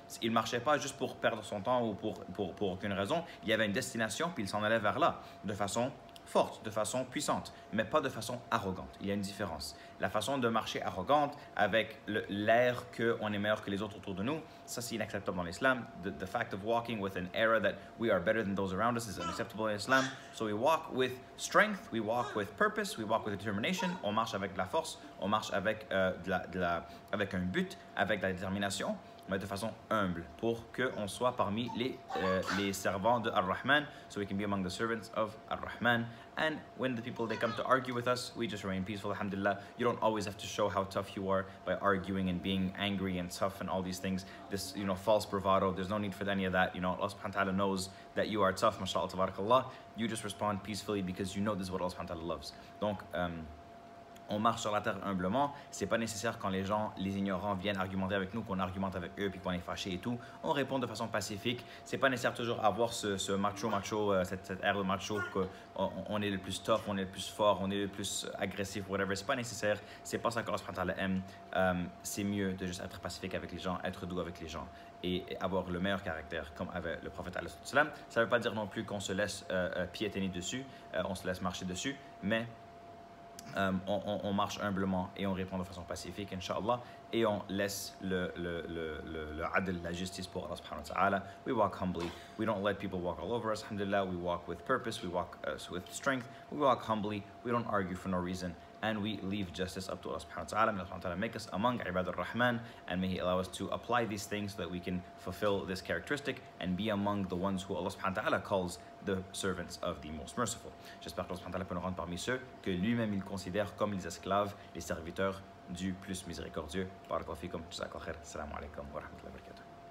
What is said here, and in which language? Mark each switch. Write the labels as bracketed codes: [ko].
[fr] Il ne marchait pas juste pour perdre son temps ou pour aucune raison. Il y avait une destination, puis il s'en allait vers là, de façon forte, de façon puissante, mais pas de façon arrogante. Il y a une différence. La façon de marcher arrogante avec l'air qu'on est meilleur que les autres autour de nous, ça c'est inacceptable dans l'islam. [en] The fact of walking with an air that we are better than those around us is unacceptable in Islam. So we walk with strength, we walk with purpose, we walk with determination, [fr] on marche avec de la force, on marche avec, avec un but, avec de la détermination, mais de façon humble, pour qu'on soit parmi les servants de Ar-Rahman, [en] so we can be among the servants of Ar-Rahman. And when the people, they come to argue with us, we just remain peaceful, alhamdulillah. You don't always have to show how tough you are by arguing and being angry and tough and all these things. This, you know, false bravado, there's no need for any of that. You know, Allah subhanahu wa ta'ala knows that you are tough, mashallah, tabarakallah. You just respond peacefully because you know this is what Allah subhanahu wa ta'ala loves. [fr] Donc, on marche sur la terre humblement. C'est pas nécessaire quand les gens, les ignorants, viennent argumenter avec nous, qu'on argumente avec eux, puis qu'on est fâché et tout. On répond de façon pacifique. C'est pas nécessaire toujours avoir ce macho, cette air de macho, qu'on est le plus tough, on est le plus fort, on est le plus agressif, whatever. C'est pas nécessaire. C'est pas ça que l'Esprit Allah aime. C'est mieux de juste être pacifique avec les gens, être doux avec les gens et avoir le meilleur caractère comme avait le prophète alayhi sallam. Ça veut pas dire non plus qu'on se laisse piétiner dessus, on se laisse marcher dessus, mais On marche humblement et on répond de façon pacifique, inshallah, et on laisse le adl, la justice pour Allah subhanahu wa ta'ala. [en] We walk humbly. We don't let people walk all over us, alhamdulillah. We walk with purpose. We walk with strength. We walk humbly. We don't argue for no reason. And we leave justice up to Allah subhanahu wa ta'ala. May Allah subhanahu wa ta'ala make us among ibad al-Rahman. And may He allow us to apply these things so that we can fulfill this characteristic and be among the ones who Allah subhanahu wa ta'ala calls the servants of the most merciful. [fr] J'espère que Allah subhanahu wa ta'ala peut nous rendre parmi ceux que lui-même il considère comme les esclaves, les serviteurs du plus miséricordieux. Barakallahu fikum. Jazakallahu khair. Assalamu alaikum wa rahmatullahi wa barakatuh.